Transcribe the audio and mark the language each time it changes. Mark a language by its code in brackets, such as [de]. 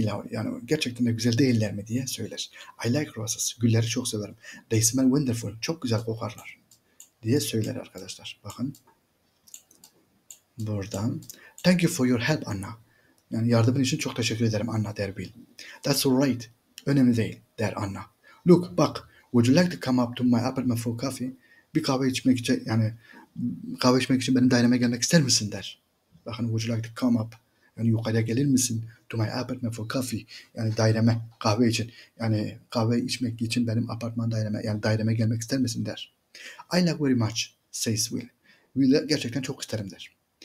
[tr] Yani gerçekten de güzel değiller mi diye söyler. [en] I like roses. [tr] Gülleri çok severim. [en] They smell wonderful. [tr] Çok güzel kokarlar. Diye söyler arkadaşlar. Bakın. Buradan. [en] Thank you for your help, Anna. [tr] Yani yardımın için çok teşekkür ederim, Anna der Bill. [en] That's all right. [tr] Önemli değil, der Anna. [en] Look, [tr] bak. [en] Would you like to come up to my apartment for coffee? [tr] Bir kahve içmek için, yani kahve içmek için benim daireme gelmek ister misin, der. Bakın, [en] would you like to come up? [tr] Yani yukarıya gelir misin? [en] To my apartment for coffee. [tr] Yani daireme, kahve için. Yani kahve içmek için benim apartman daireme, yani daireme gelmek ister misin, der. [en] I like very much, says Will. [tr] Will gerçekten çok isterim, der.